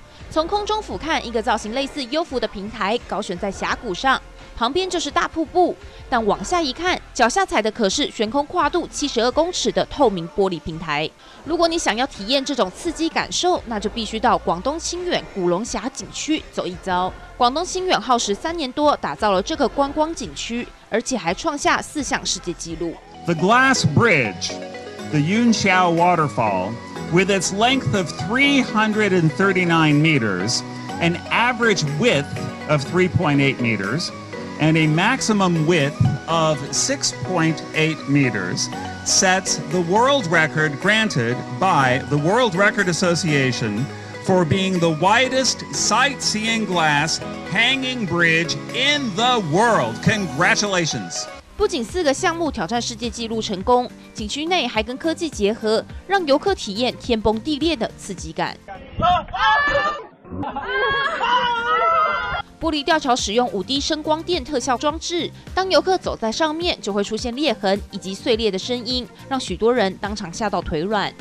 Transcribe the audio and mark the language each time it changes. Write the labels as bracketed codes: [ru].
[zh] 从空中俯瞰一个造型类似幽浮的平台高悬在峡谷上，旁边就是大瀑布，但往下一看，脚下踩的可是悬空跨度72公尺的透明玻璃平台。如果你想要体验这种刺激感受，那就必须到广东清远古龙峡景区走一遭。广东清远耗时3年多打造了这个观光景区，而且还创下4项世界纪录。 [en] The Glass Bridge, the Yunxiao Waterfall,With its length of 339 meters, an average width of 3.8 meters, and a maximum width of 6.8 meters, sets the world record granted by the World Record Association for being the widest sightseeing glass hanging bridge in the world. Congratulations! [zh] 不仅四个项目挑战世界纪录成功，景区内还跟科技结合，让游客体验天崩地裂的刺激感。玻璃吊桥使用 5D 声光电特效装置，当游客走在上面就会出现裂痕以及碎裂的声音，让许多人当场吓到腿软。